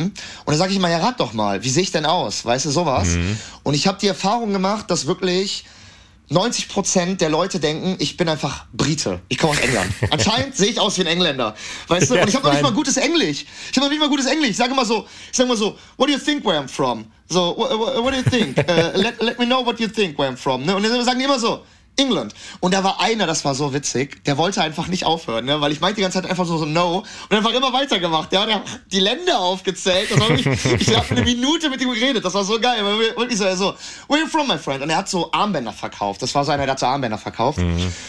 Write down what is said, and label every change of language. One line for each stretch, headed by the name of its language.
German: Und da sage ich immer, ja, rat doch mal, wie sehe ich denn aus? Weißt du, sowas? Hm. Und ich habe die Erfahrung gemacht, dass wirklich 90% der Leute denken, ich bin einfach Brite. Ich komme aus England. Anscheinend sehe ich aus wie ein Engländer. Weißt du? Und ich habe noch nicht mal gutes Englisch. Ich sage immer so,
English: what do you think where I'm from? So, what do you think? Let me know what you think where I'm from.
German: Und dann sagen die immer so, England. Und da war einer, das war so witzig, der wollte einfach nicht aufhören, ne? Weil ich meinte die ganze Zeit einfach so no und einfach immer weitergemacht. Der hat ja die Länder aufgezählt. Und ich habe eine Minute mit ihm geredet, das war so geil. Und ich so,
English: where are you from, my friend?
German: Und er hat so Armbänder verkauft. Das war so einer, der hat so Armbänder verkauft. Mhm.